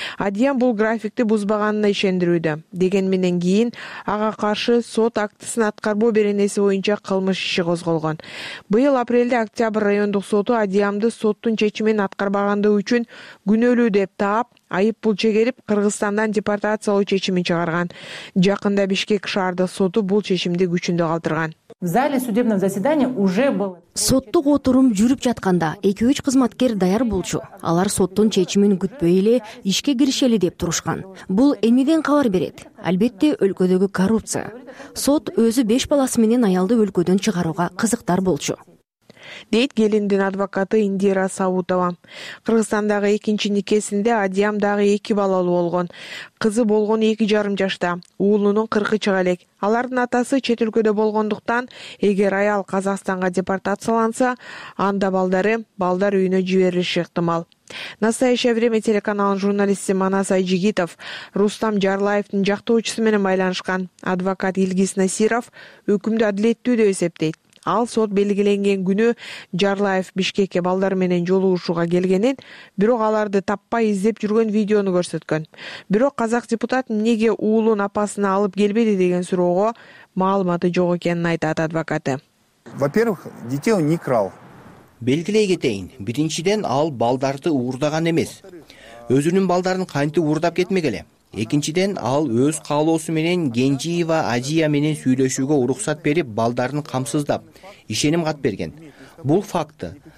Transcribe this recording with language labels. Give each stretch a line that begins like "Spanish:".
Kyrgyz: Адиям бул графикти бузбаганына ишендирүүдө. Деген менен кийин ага каршы сот актысын аткарбоо беренеси боюнча кылмыш иши козголгон. Быйыл апрелде Октябрь райондук соту Адиямды соттун чечимин аткарбагандыгы үчүн күнөлүү деп таап, айып пул чегерип, Кыргызстандан депортациялоо чечимин чыгарган. Жакында Бишкек шаардык соту бул чечимди күчүндө калтырган.
Russian: В зале судебного заседания уже было.
Kyrgyz: Соттук отурум жүрүп жатканда 2-3 кызматкер даяр болчу. Алар соттун чечимин күтпөй эле ишке киришели деп турушкан. Бул эмнеден кабар берет? Албетте, өлкөдөгү коррупция. Сот өзү 5 баласы менен аялды өлкөдөн чыгарууга кызыктар болчу. Дейт келиндин адвокаты Индира Савутова. Кыргызстандагы экинчи никесинде Адиям дагы 2 балалуу болгон. Кызы болгону 2.5 жашта, уулунун 40 чыга элек. Алардын атасы чет өлкөдө болгондуктан, эгер аял Казакстанга депортацияланса, анда балдары балдар үйүнө жиберилиши ыктымал. Настоящее время телеканалынын журналисти Манас Айжигитов Рустам Жарлаевдин жактоочусу менен байланышкан. Адвокат Илгиз Насиров өкүмдү адилеттүү деп эсептейт. Ал сот белгиленген күнү Жарлаев Бишкекке балдар менен жолугушууга келгенин, бирок аларды таппай издеп жүргөн видеону көрсөткөн. Бирок казак депутат эмнеге уулун апасына алып келбеди деген суроого маалыматы жок экенин айтат адвокаты.
Russian: Во-первых, детей он не крал.
Kyrgyz: Белгилей кетейин, биринчиден ал балдарды уурдаган эмес. Өзүнүн балдарын кантип уурдап кетмек эле? Экинчиден ал өз каалоосу менен Кенжиева Азия менен сүйлөшүүгө уруксат берип, балдарын камсыздап ишеним кат берген. Бул факты.